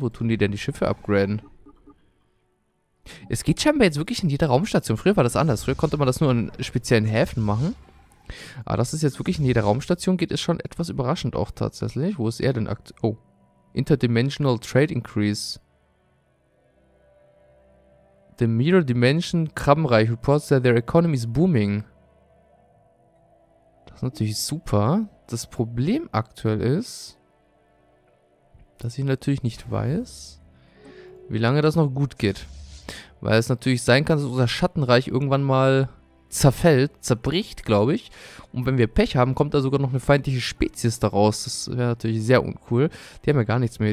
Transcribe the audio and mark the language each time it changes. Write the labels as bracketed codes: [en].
[de] Wo tun die denn die Schiffe upgraden? Es geht scheinbar jetzt wirklich in jeder Raumstation. Früher war das anders. Früher konnte man das nur in speziellen Häfen machen. Aber dass es jetzt wirklich in jeder Raumstation geht, ist schon etwas überraschend auch tatsächlich. Wo ist er denn aktuell? [en] Oh. Interdimensional Trade Increase. The Mirror Dimension Krabbenreich reports that their economy is booming. [de] Das ist natürlich super. Das Problem aktuell ist, dass ich natürlich nicht weiß, wie lange das noch gut geht. Weil es natürlich sein kann, dass unser Schattenreich irgendwann mal zerfällt, zerbricht, glaube ich. Und wenn wir Pech haben, kommt da sogar noch eine feindliche Spezies daraus. Das wäre natürlich sehr uncool. Die haben ja gar nichts mehr.